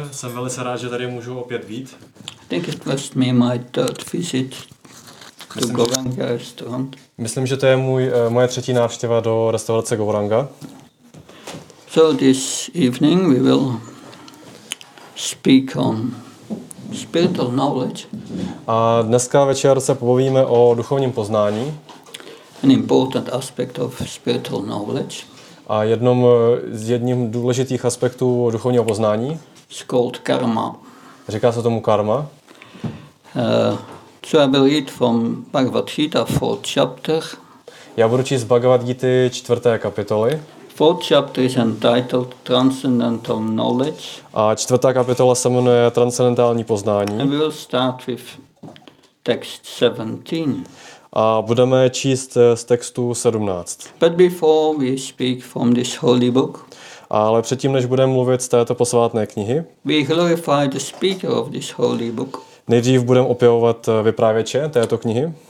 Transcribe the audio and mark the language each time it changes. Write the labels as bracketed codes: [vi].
[cs] Jsem velice rád, že tady můžu opět být. [en] I think it was me my third visit to Govanga restaurant. [cs] Myslím, že to je moje třetí návštěva do restaurace Govanga. [en] So this evening we will speak on spiritual knowledge. [cs] A dneska večer se pobavíme o duchovním poznání. [en] An important aspect of spiritual knowledge. [cs] A jedním z důležitých aspektů duchovního poznání. [en] It's called karma. [cs] Říká se tomu karma. [en] So I will read from Bhagavad Gita fourth chapter. [cs] Já budu číst z Bhagavad Gita čtvrté kapitoly. [en] Fourth chapter is entitled Transcendental Knowledge. [cs] A čtvrtá kapitola se jmenuje Transcendentální poznání. [en] And we'll start with text 17. [cs] A budeme číst z textu 17. [en] But before we speak from this holy book. [cs] Ale předtím, než budeme mluvit z této posvátné knihy. [en] We glorify the speaker of this holy book. [cs] Nejdřív budeme opěvovat vyprávěče této knihy.